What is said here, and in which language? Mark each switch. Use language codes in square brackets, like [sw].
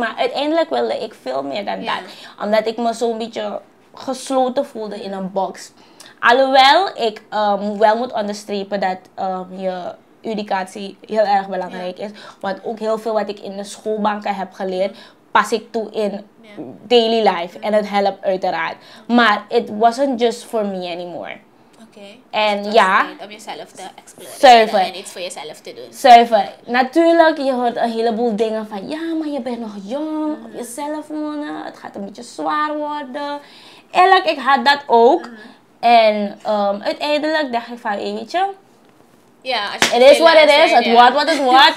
[nl] Maar uiteindelijk wilde ik veel meer dan dat. Omdat ik me zo'n beetje gesloten voelde in een box. Alhoewel, ik wel moet onderstrepen dat je educatie heel erg belangrijk is. Want ook heel veel wat ik in de schoolbanken heb geleerd, pas ik toe in [en] daily life. [nl] En het helpt uiteraard. Maar [en] it wasn't just for me anymore. [nl] Oké. En ja. Om jezelf te exploren. Surfen. En iets voor jezelf te doen. Surfen. Natuurlijk, je hoort een heleboel dingen van, ja, maar je bent nog jong. Op jezelf wonen. Het gaat een beetje zwaar worden. Eerlijk, ik had dat ook. En uiteindelijk dacht ik van, eentje, [en] it is what it is, [nl] het wordt wat het wordt.